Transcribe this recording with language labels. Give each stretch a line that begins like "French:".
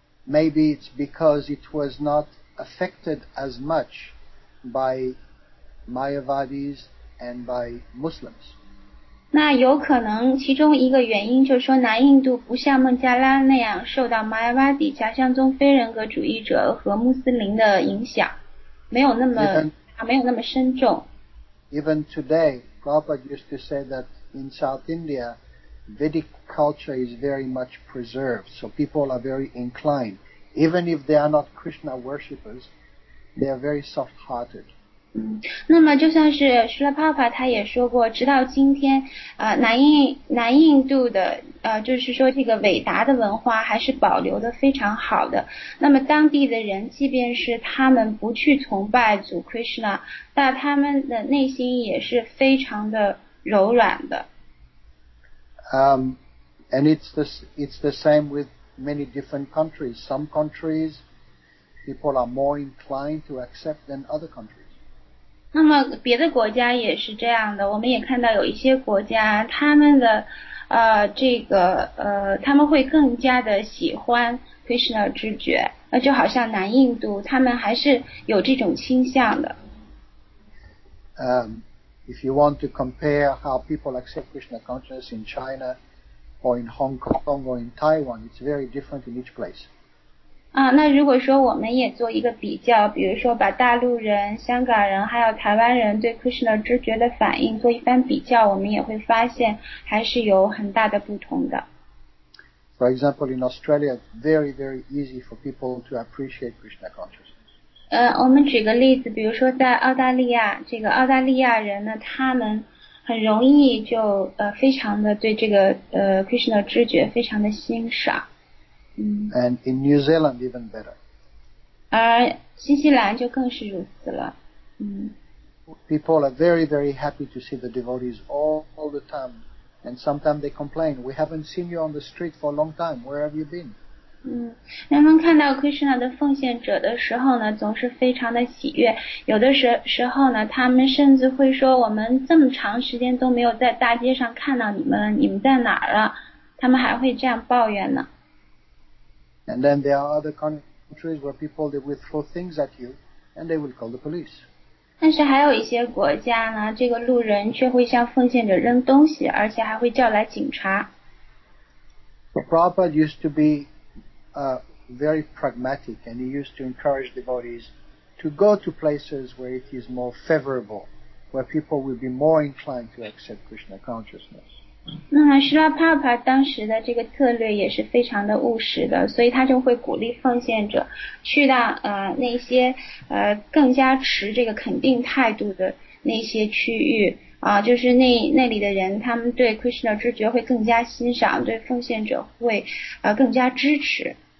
English: Maybe it's because it was not affected as much by Mayavadis and by Muslims.
Chinese: 那有可能其中一个原因就是说南印度不像孟加拉那样受到 Mayavadi 假象中非人格主义者和穆斯林的影响，没有那么 没有那么深重。
English: Even today, Prabhupada used to say that in South India, Vedic culture is very much preserved, so people are very inclined. Even if they are not Krishna worshippers, they are very soft-hearted.
Chinese: 那么就像是 Srila Prabhupada 他也说过，直到今天，南印度的就是说这个伟达的文化还是保留的非常好的。那么当地的人，即便是他们不去崇拜主 Krishna， 但他们的内心也是非常的柔软的。
English: And it's the same with many different countries. Some countries people are more inclined to accept than other countries.
Chinese: 那么别的国家也是这样的，我们也看到有一些国家他们的他们会更加的喜欢 Krishna 知觉，那就好像南印度他们还是有这种倾向的。
English: If you want to compare how people accept Krishna consciousness in China or in Hong Kong or in Taiwan, it's very different in each place.
Chinese: 那如果说我们也做一个比较，比如说把大陆人、香港人还有台湾人对 Krishna 知觉的反应做一番比较，我们也会发现还是有很大的不同的。
English: For example, in Australia, very, very easy for people to appreciate Krishna consciousness.
Chinese: 我们举个例子，比如说在澳大利亚，这个澳大利亚人呢，他们很容易就非常的对这个Krishna 知觉非常的欣赏。
English: And in New Zealand, even better.
Chinese: 而新西兰就更是如此了。
English: People are very, very happy to see the devotees all the time. And sometimes they complain, we haven't seen you on the street for a long time. Where have you been?
Chinese: 人们看到 Krishna 的奉献者的时候呢，总是非常的喜悦。有的时候呢，他们甚至会说，我们这么长时间都没有在大街上看到你们，你们在哪儿了？他们还会这样抱怨呢。
English: And then there are other countries where people, they will throw things at you and they will call the police.
Chinese: 但是还有一些国家呢，这个路人却会向奉献者扔东西，而且还会叫来警察。
English: So Prabhupada used to be very pragmatic and he used to encourage devotees to go to places where it is more favorable, where people will be more inclined to accept Krishna consciousness.
Chinese: 那么施拉帕帕当时的这个策略也是非常的务实的，所以他就会鼓励奉献者去到那些更加持这个肯定态度的那些区域就是那里的人他们对 Krishna 知觉会更加欣赏，对奉献者会更加支持。